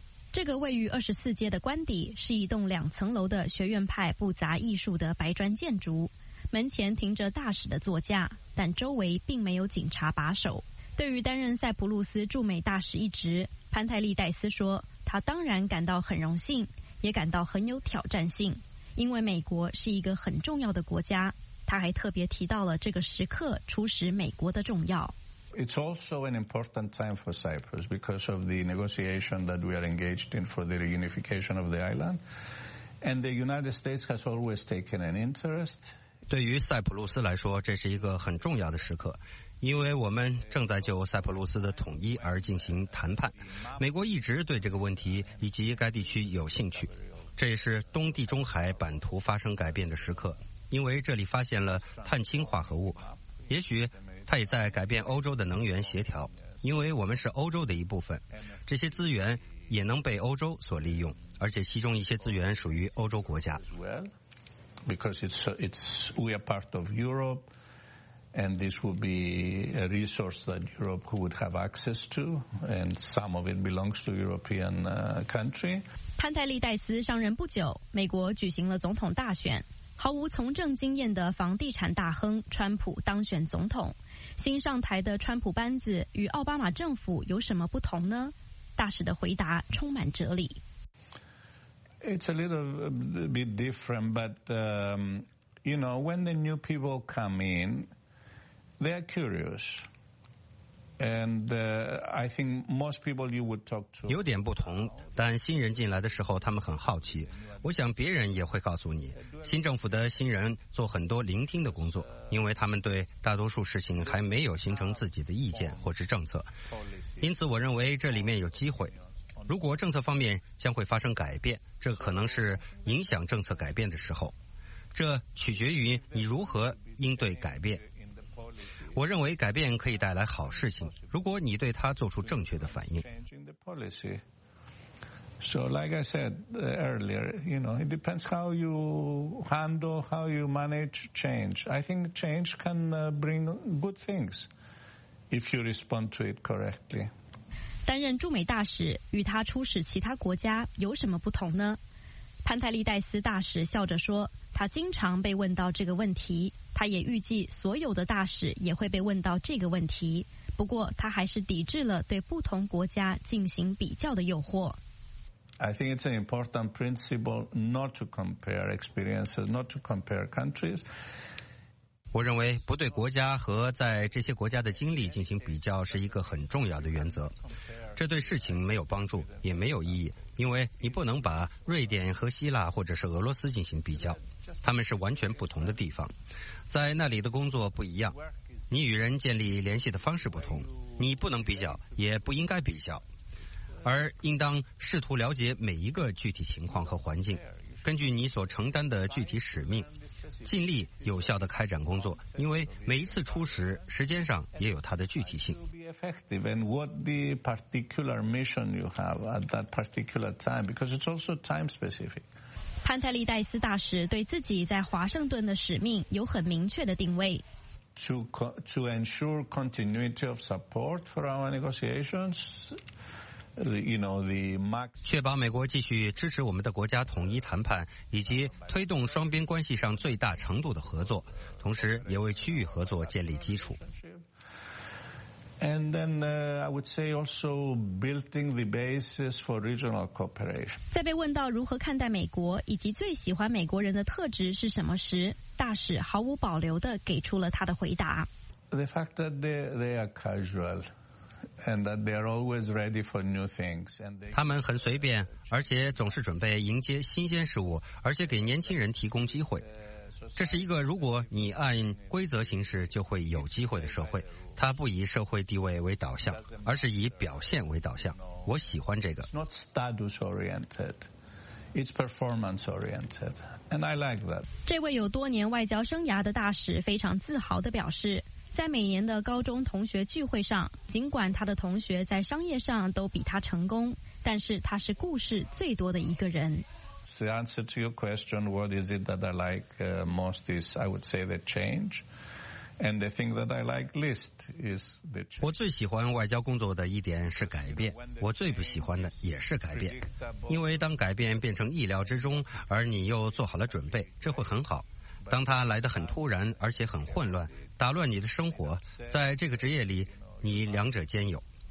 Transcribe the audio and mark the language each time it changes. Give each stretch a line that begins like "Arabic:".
Chinese: 这个位于24街的官邸是一栋两层楼的学院派不杂艺术的白砖建筑，门前停着大使的座驾，但周围并没有警察把守。对于担任塞浦路斯驻美大使一职，潘泰利戴斯说，他当然感到很荣幸，也感到很有挑战性，因为美国是一个很重要的国家。他还特别提到了这个时刻出使美国的重要。
English: It's also an important time for Cyprus because of the negotiation that we are engaged in for the reunification of the island. And the United States has always taken an interest.
Chinese: 对于塞浦路斯来说，这是一个很重要的时刻，因为我们正在就塞浦路斯的统一而进行谈判。美国一直对这个问题以及该地区有兴趣，这也是东地中海版图发生改变的时刻，因为这里发现了碳氢化合物，也许它也在改变欧洲的能源协调，因为我们是欧洲的一部分，这些资源也能被欧洲所利用，而且其中一些资源属于欧洲国家。
English: Because we are part of Europe, and this would be a resource that Europe would have access to, and some of it belongs to European country.
Chinese: 潘泰利戴斯上任不久，美国举行了总统大选，毫无从政经验的房地产大亨川普当选总统。新上台的川普班子与奥巴马政府有什么不同呢？大使的回答充满哲理。
English: It's a little bit different, but you know, when the new people come in, they are curious, and I think most people you would talk to
Chinese: 有点不同，但新人进来的时候，他们很好奇。我想别人也会告诉你，新政府的新人做很多聆听的工作，因为他们对大多数事情还没有形成自己的意见或是政策。因此我认为这里面有机会，如果政策方面将会发生改变，这可能是影响政策改变的时候，这取决于你如何应对改变。我认为改变可以带来好事情，如果你对它做出正确的反应。
English: So, like I said earlier, you know, it depends how you handle, how you manage change. I think change can bring good things if you respond to it correctly.
Chinese: 担任驻美大使与他出使其他国家有什么不同呢？潘泰利戴斯大使笑着说，他经常被问到这个问题，他也预计所有的大使也会被问到这个问题，不过他还是抵制了对不同国家进行比较的诱惑。
English: I think it's an important principle not to compare experiences, not to compare countries.
Chinese: 我认为不对国家和在这些国家的经历进行比较是一个很重要的原则。这对事情没有帮助，也没有意义，因为你不能把瑞典和希腊或者是俄罗斯进行比较，他们是完全不同的地方，在那里的工作不一样，你与人建立联系的方式不同，你不能比较，也不应该比较。而应当试图了解每一个具体情况和环境，根据你所承担的具体使命，尽力有效地开展工作，因为每一次出使时间上也有它的具体性。
English: And what the particular mission you have at that particular time, because it's also time specific.
Chinese: 潘泰利戴斯大使对自己在华盛顿的使命有很明确的定位。
English: To ensure continuity of support for our negotiations.
Chinese: 确保美国继续支持我们的国家统一谈判，以及推动双边关系上最大程度的合作，同时也为区域合作建立基础。
English: And then I would say also building the basis for regional cooperation.
Chinese: 在被问到如何看待美国以及最喜欢美国人的特质是什么时，大使毫无保留地给出了他的回答。
English: The fact that they are casual and that they are always ready for new things.
Chinese: 他们很随便，而且总是准备迎接新鲜事物，而且给年轻人提供机会。这是一个如果你按规则行事就会有机会的社会，它不以社会地位为导向，而是以表现为导向。我喜欢这个。
English: It's not status oriented, it's performance oriented, and I like that.
Chinese: 这位有多年外交生涯的大使非常自豪地表示，在每年的高中同学聚会上，尽管他的同学在商业上都比他成功，但是他是故事最多的一个人。
English: The answer to your question, what is it that I like most, is I would say the change. And the thing that I like least is the change.
Chinese: 我最喜欢外交工作的一点是改变，我最不喜欢的也是改变。因为当改变变成意料之中，而你又做好了准备，这会很好。当它来得很突然，而且很混乱，打乱你的生活，在这个职业里，你两者兼有。